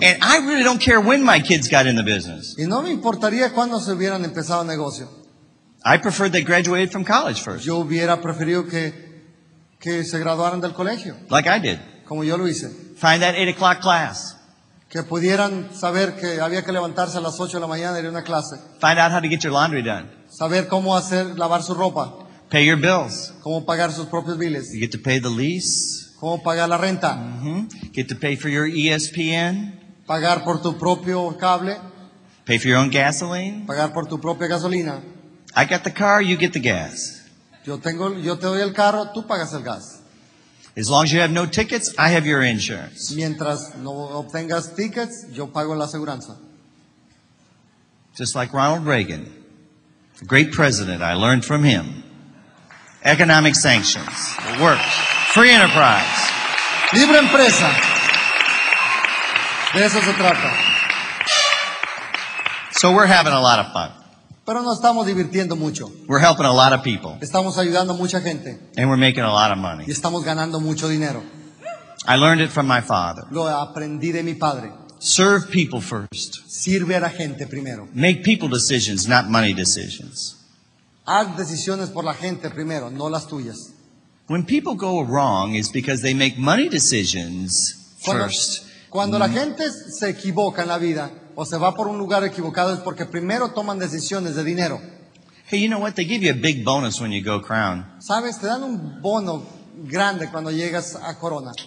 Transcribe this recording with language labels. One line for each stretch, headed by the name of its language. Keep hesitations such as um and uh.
Spanish: Y no me importaría cuándo se hubieran empezado el negocio.
English: I prefer they graduated from college first.
Spanish: Yo hubiera preferido que que se graduaran del colegio.
English: Like I did.
Spanish: Como yo lo hice
English: find that 8 o'clock class.
Spanish: Que pudieran saber que había que levantarse a las 8 de la mañana y ir a una clase.
English: Find out how to get your laundry done.
Spanish: Saber cómo hacer lavar su ropa.
English: Pay your bills.
Spanish: Cómo pagar sus propios bills.
English: You get to pay the lease.
Spanish: Cómo pagar la renta.
English: Get to pay for your ESPN.
Spanish: Pagar por tu propio cable.
English: Pay for your own gasoline.
Spanish: Pagar por tu propia gasolina.
English: I got the car, you get the gas.
Spanish: Yo tengo, yo te doy el carro, tú pagas el gas.
English: As long as you have no tickets, I have your insurance.
Spanish: Mientras no obtengas tickets, yo pago la aseguranza.
English: Just like Ronald Reagan, the great president, I learned from him. Economic sanctions. It works. Free enterprise.
Spanish: Libre empresa. De eso se trata.
English: So we're having a lot of fun.
Spanish: Pero no estamos divirtiendo mucho.
English: We're helping a lot of people.
Spanish: Estamos ayudando a mucha gente.
English: And we're making a lot of money.
Spanish: Y estamos ganando mucho dinero.
English: I learned it from my father.
Spanish: Lo aprendí de mi padre.
English: Serve people first.
Spanish: Sirve a la gente primero.
English: Make people decisions, not money decisions.
Spanish: Haz decisiones por la gente primero, no las tuyas.
English: When people go wrong is because they make money decisions first.
Spanish: Cuando la gente se equivoca en la vida, o se va por un lugar equivocado es porque primero toman decisiones de dinero. ¿Sabes? Te dan un bono grande cuando llegas a corona.